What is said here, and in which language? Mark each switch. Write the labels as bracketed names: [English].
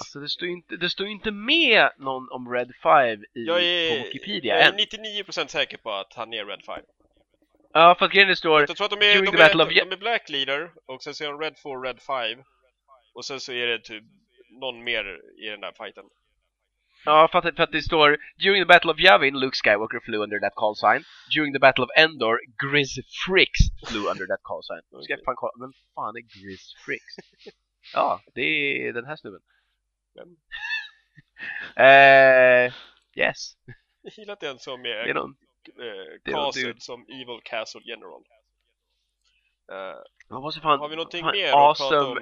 [Swedish] Alltså det står ju inte med någon om Red 5 i på Wikipedia. Jag är 99% säker på att han är Red 5. Ja, för att grejen det står, jag tror att de är, de är Black Leader, och sen så är de Red 4, Red 5. Och sen så är det typ någon mer i den där fighten. Ja, för att det står: [English] during the Battle of Yavin, Luke Skywalker flew under that call sign. During the Battle of Endor, Grizz Frix flew under that call sign. [Swedish] Ska fan kolla, men fan är Grizz Frix? Ja, det är den här snubben. Vem? [English] Yes. [Swedish] Jag gillar den som är castled som Evil Castle General. Fan, har vi någonting mer att prata om?